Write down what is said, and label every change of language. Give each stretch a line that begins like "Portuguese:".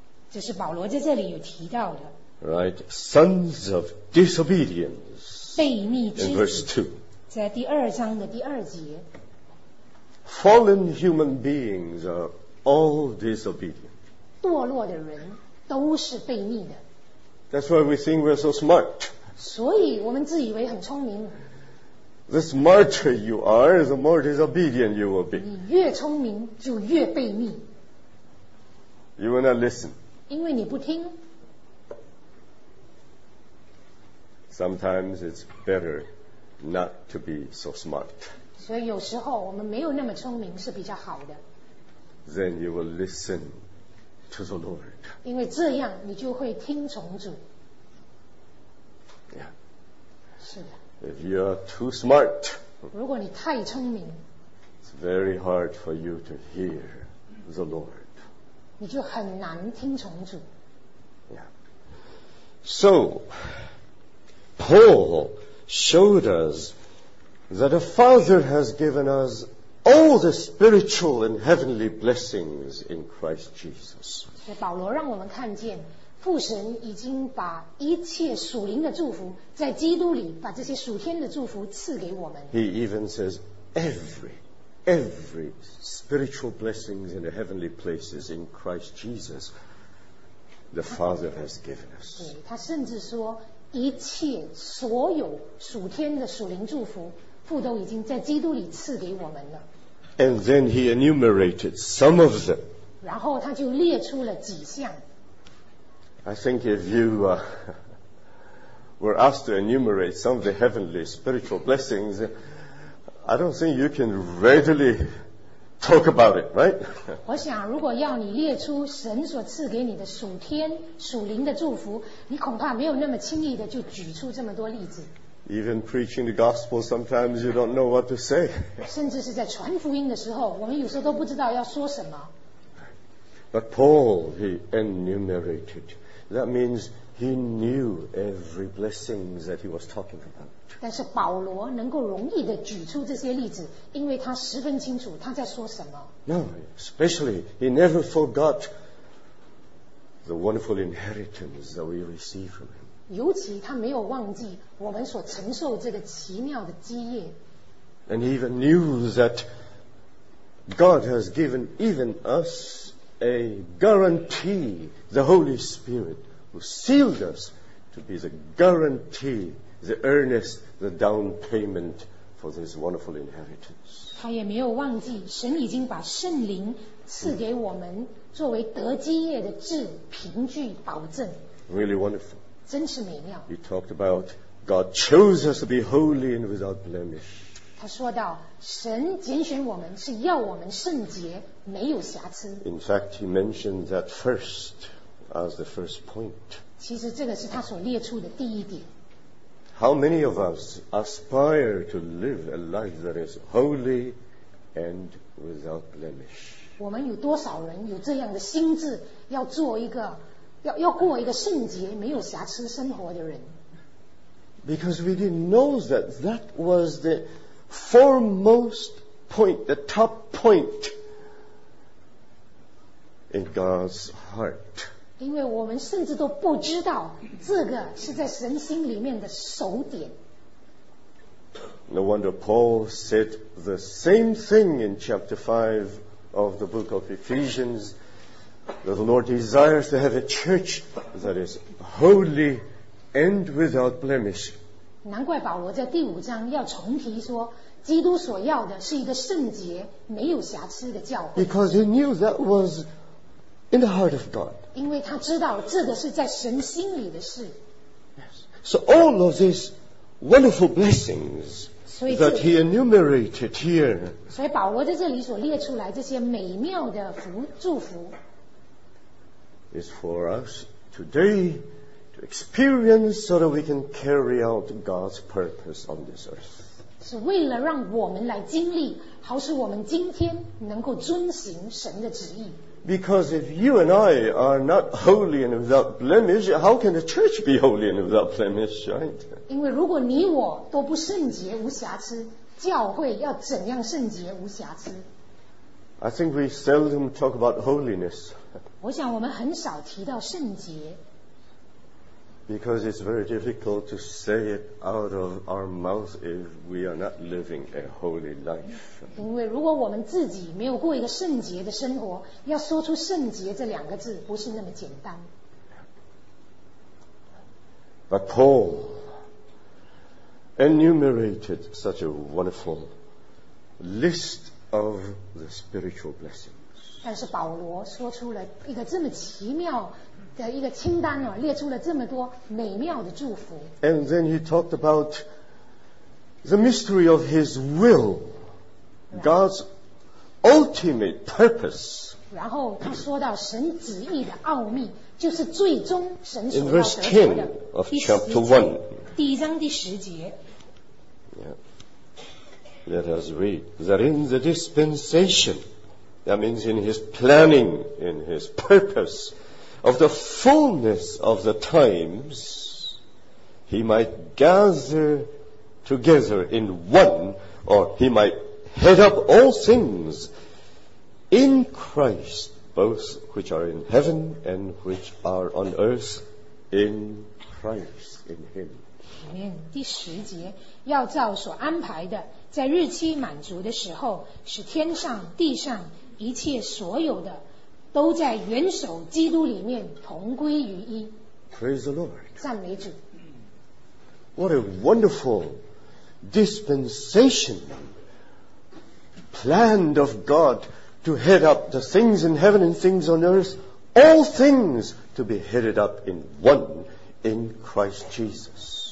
Chinese: 这是保罗在这里有提到的。
English: Right, sons of disobedience.
Chinese: 悖逆之子。
English: In verse 2.
Chinese: 在第二章的第二节
English: Fallen human beings are all disobedient.
Chinese: 堕落的人都是悖逆的。
English: That's why we think we're so smart.
Chinese: 所以我们自以为很聪明。
English: The smarter you are, the more disobedient you will be.
Chinese: 你越聪明就越悖逆。
English: You will not listen.
Chinese: 因为你不听。
English: Sometimes it's better. Not to be so smart.
Chinese: 所以有时候我们没有那么聪明是比较好的。
English: Then you will listen to the Lord.
Chinese: 因为这样你就会听从主。
English: Yeah.
Chinese: 是的。
English: If you are too smart,
Chinese: 如果你太聪明
English: it's very hard for you to hear the Lord.
Chinese: 你就很难听从主。
English: Yeah. So, Paul. Showed us that a father has given us all the spiritual and heavenly blessings in Christ Jesus.
Chinese: 保罗让我们看见父神已经把一切属灵的祝福在基督里把这些属天的祝福赐给我们。
English: He even says every spiritual blessings in the heavenly places in Christ Jesus the Father has given us.
Chinese: 他甚至说一切所有属天的属灵祝福父都已经在基督里赐给我们了。
English: And then he enumerated some of them.
Chinese: 然后他就列出了几项。
English: I think if you were asked to enumerate some of the heavenly spiritual blessings, I don't think you can readily talk about it, right?
Chinese: 我想如果要你列出神所赐给你的属天属灵的祝福你恐怕没有那么轻易的就举出这么多例子。
English: Even preaching the gospel, sometimes you don't know what to say.
Chinese: 甚至是在传福音的时候，我们有时候都不知道要说什么。
English: But Paul, he enumerated. That means he knew every blessing that he was talking about.
Chinese: 但是保罗能够容易地举出这些例子，因为他十分清楚他在说什么。
English: No, especially he never forgot the wonderful inheritance that we receive from him.
Chinese: 尤其他没有忘记我们所承受这个奇妙的基业。
English: And he even knew that God has given even us. A guarantee, the Holy Spirit who sealed us to be the guarantee, the earnest, the down payment for this wonderful inheritance.
Chinese: 他也没有忘记，神已经把圣灵赐给我们作为得基业的质凭据保证。
English: Really wonderful.
Chinese: 真是美妙。
English: He talked about God chose us to be holy and without blemish.
Chinese: 他说到。神拣选我们是要我们圣洁没有瑕疵。
English: In fact, he mentioned that first as the first point.
Chinese: 其实这个是他所列出的第一点。
English: How many of us aspire to live a life that is holy and without blemish?
Chinese: 我们有多少人有这样的心志要做一个 要过一个圣洁没有瑕疵生活的人？
English: Because we didn't know that that was the foremost point, the top point in God's heart.
Chinese: 因为我们甚至都不知道这个是在神心里面的首点。
English: No wonder Paul said the same thing in chapter 5 of the book of Ephesians, that the Lord desires to have a church that is holy and without blemish.
Chinese: 难怪保罗在第五章要重提说基督所要的是一个圣洁没有瑕疵的教会。
English: Because he knew that was in the heart of God.
Chinese: 因为他知道这个是在神心里的事。
English: Yes. So all of these wonderful blessings that he enumerated here.
Chinese: 所以保罗在这里所列出来这些美妙的福祝福
English: is for us today to experience so that we can carry out God's purpose on this earth.
Chinese: 是为了让我们来经历，好使我们今天能够遵行神的旨意。
English: Because if you and I are not holy and without blemish, how can the church be holy and without blemish, right?
Chinese: 因为如果你我都不圣洁无瑕疵，教会要怎样圣洁无瑕疵？
English: I think we seldom talk about holiness.
Chinese: 我想我们很少提到圣洁。
English: Because it's very difficult to say it out of our mouth if we are not living a holy life.
Chinese: 因为如果我们自己没有过一个圣洁的生活，要说出圣洁这两个字不是那么简单。
English: But Paul enumerated such a wonderful list of the spiritual blessings.
Chinese: 但是保罗说出了一个这么奇妙。的一个清单哦，列出了这么多美妙的祝福。
English: And then he talked about the mystery of his will, God's ultimate purpose.
Chinese: 然后他说到神旨意的奥秘，就是最终神所要得着的。
English: In verse 10 of chapter 1.
Chinese: 第一章第十节。
English: Let us read that in the dispensation, that means in his planning, in his purpose. Of the fullness of the times, he might gather together in one, or he might head up all things in Christ, both which are in heaven and which are on earth, in Christ, in him. Amen.
Chinese: 第十节，要照所安排的，在日期满足的时候，使天上地上一切所有的都在元首基督里面同归于一。
English: Praise the Lord.
Chinese: 赞美主。
English: What a wonderful dispensation planned of God to head up the things in heaven and things on earth, all things to be headed up in one in Christ Jesus.